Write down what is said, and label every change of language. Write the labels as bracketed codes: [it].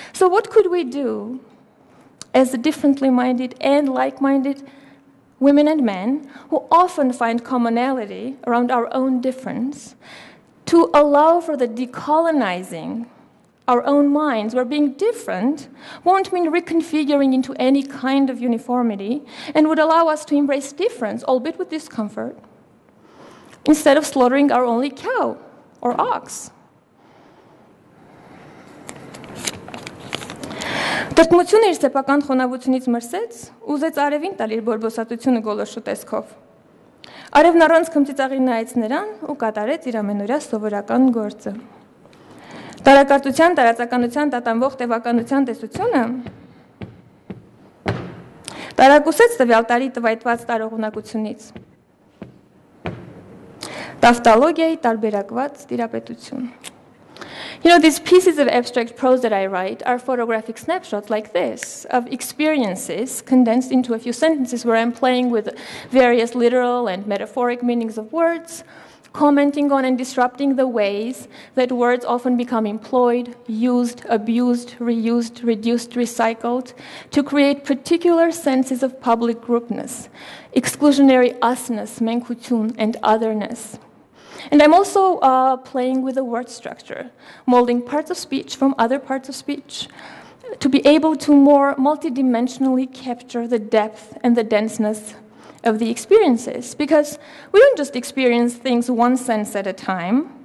[en] So what could we do as the differently minded and like-minded women and men who often find commonality around our own difference to allow for the decolonizing our own minds, where being different won't mean reconfiguring into any kind of uniformity and would allow us to embrace difference, albeit with discomfort, instead of slaughtering our only cow or ox? [hy] Տրտմությունը իր սեփական խոնավությունից մրսեց, ուզեց արևին տալ իր բորբոսատությունը գոլորշու տեսքով։ Արևն առանց քմծիծաղի նայեց նրան ու կատարեց իր ամենօրյա սովորական գործը։ Տարակարծության, տարածականության, տատանվող տևականության տեսությունը տարակուսեց տվյալ տարի տվայտված տարողունակությունից, տավտալոգիայի տարբերակված տիրապետություն։ [en] You know, these pieces of abstract prose that I write are photographic snapshots like this of experiences condensed into a few sentences where I'm playing with various literal and metaphoric meanings of words, commenting on and disrupting the ways that words often become employed, used, abused, reused, reduced, recycled to create particular senses of public groupness, exclusionary usness, menkutun, and otherness. And I'm also playing with the word structure, molding parts of speech from other parts of speech to be able to more multidimensionally capture the depth and the denseness of the experiences. Because we don't just experience things one sense at a time.